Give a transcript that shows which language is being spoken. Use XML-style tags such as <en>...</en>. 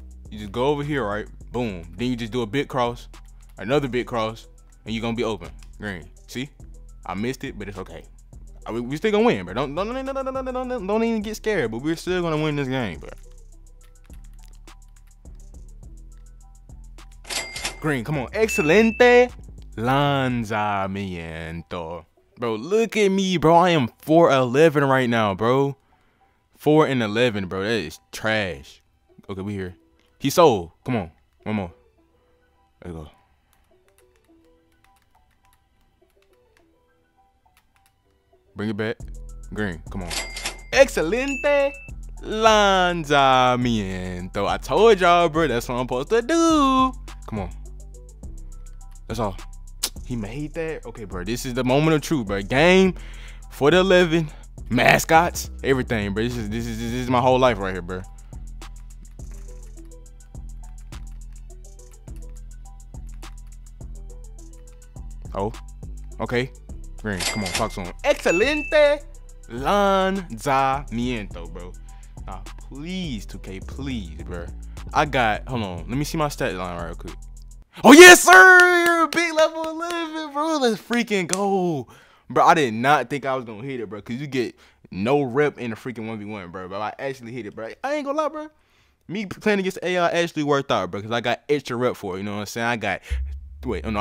<en>You just go over here, right? Boom. Then you just do a big cross, another big cross, and you're going to be open. Green. See? I missed it, but it's okay. We still going to win, bro. Don't even get scared, but we're still going to win this game, bro. Green, come on.</en> <es>Excelente lanzamiento.</es> <en>Bro, look at me, bro. I am 4-11 right now, bro. 4-11, bro. That is trash. Okay, we here. He sold. Come on. One more. Let's go. Bring it back. Green. Come on.</en> <es>Excelente lanzamiento.</es> <en>I told y'all, bro. That's what I'm supposed to do. Come on. That's all. He made that? Okay, bro. This is the moment of truth, bro. Game for the 11. Mascots. Everything, bro. This is my whole life right here, bro. Oh. Okay. Green. Come on. Talk to him.</en> <es>Excelente lanzamiento, bro.</es> <en>Nah, please, 2K. Please, bro. I got... Hold on. Let me see my stat line real quick. Oh, yes, sir! Big level 11, bro. Let's freaking go. Bro, I did not think I was going to hit it, bro. Because you get no rep in a freaking 1v1, bro. But I actually hit it, bro. I ain't going to lie, bro. Me playing against AI actually worked out, bro. Because I got extra rep for it. You know what I'm saying? I got... Wait, oh no.</en>